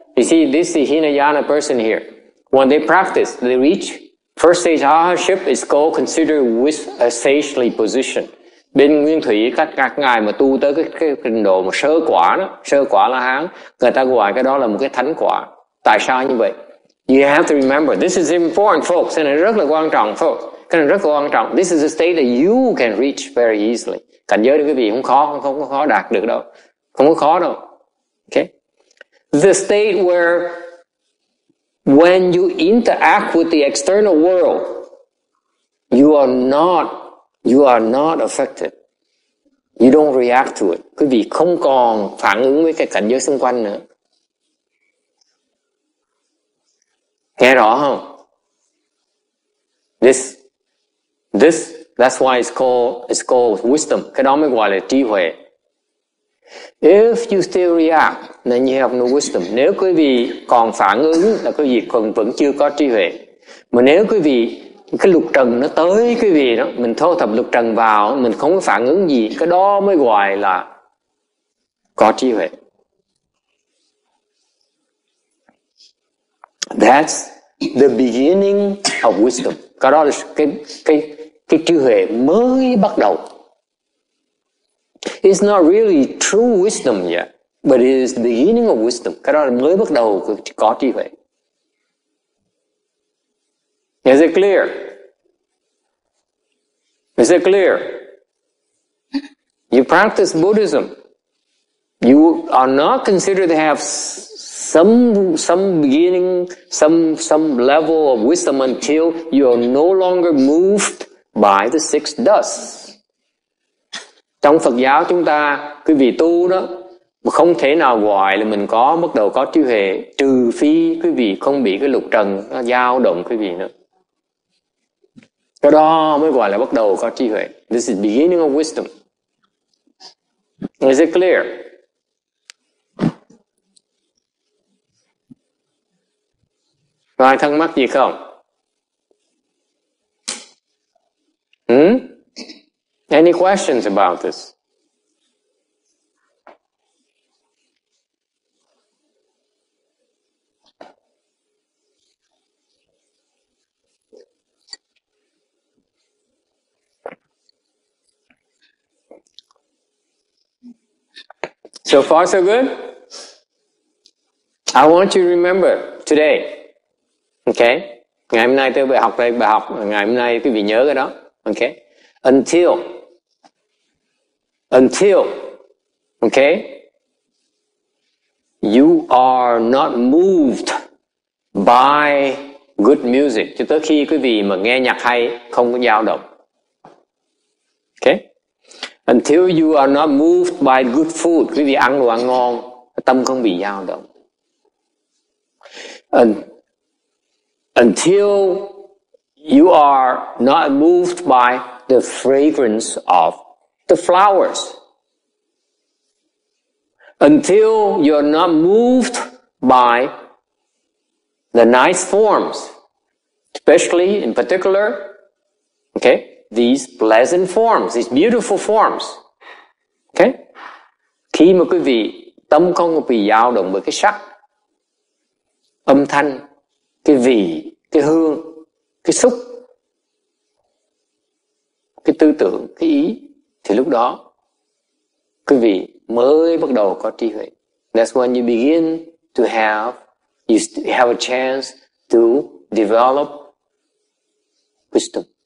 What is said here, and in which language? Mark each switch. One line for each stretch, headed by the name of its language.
English: You see, this is the Hinayana person here. When they practice, they reach first stage Arhatship is called considered with a sagely position.
Vietnamese: Bên nguyên thủy các ngài mà tu tới cái trình độ mà sơ quả đó, sơ quả là hán, người ta gọi cái đó là một cái thánh quả. Tại sao như vậy?
English: You have to remember, this is important folks, and
Vietnamese: rất là quan trọng folks, cái này rất là quan trọng.
English: This is a state that you can reach very easily.
Vietnamese: Cảnh giới được quý vị không khó đạt được đâu, không có khó đâu.
English: Okay, the state where when you interact with the external world, you are not affected. You don't react to it.
Vietnamese: Quý vị không còn phản ứng với cái cảnh giới xung quanh nữa. Nghe rõ không?
English: That's why it's called wisdom.
Vietnamese: Cái đó mới gọi là trí huệ.
English: If you still react, then you have no wisdom.
Vietnamese: Nếu quý vị còn phản ứng là quý vị còn vẫn chưa có trí huệ. Mà nếu quý vị cái lục trần nó tới cái gì đó, mình thâu thập lục trần vào, mình không có phản ứng gì, cái đó mới gọi là có trí huệ.
English: That's the beginning of wisdom.
Vietnamese: Cái đó là cái trí huệ mới bắt đầu.
English: It's not really true wisdom yet, but it is the beginning of wisdom.
Vietnamese: Cái đó là mới bắt đầu có trí huệ.
English: Is it clear? Is it clear? You practice Buddhism. You are not considered to have some beginning, some level of wisdom until you are no longer moved by the six dust.
Vietnamese: Trong Phật giáo chúng ta, quý vị tu đó, không thể nào gọi là mình có bắt đầu có trí huệ, trừ phi quý vị không bị cái lục trần nó dao động quý vị nữa. Cái đó mới gọi là bắt đầu có trí huệ.
English: This is beginning of wisdom. Is it clear?
Vietnamese: Có ai thắc mắc gì không?
English: Any questions about this? So far, so good? I want you to remember today. Okay?
Vietnamese: Ngày hôm nay tôi bài học đây, bài học. Ngày hôm nay quý vị nhớ cái đó.
English: Okay? Until, you are not moved by good music.
Vietnamese: Cho tới khi quý vị mà nghe nhạc hay, không có dao động. Okay?
English: Until you are not moved by good food,
Vietnamese: quý vị ăn đồ ăn ngon, tâm không bị dao động.
English: Until you are not moved by the fragrance of the flowers. Until you are not moved by the nice forms, especially in particular, okay? These pleasant forms, these beautiful forms. Okay?
Vietnamese: Khi mà quý vị tâm không bị dao động bởi cái sắc, âm thanh, cái vị, cái hương, cái xúc, cái tư tưởng, cái ý, thì lúc đó quý vị mới bắt đầu có trí huệ.
English: That's when you begin to have a chance to develop wisdom.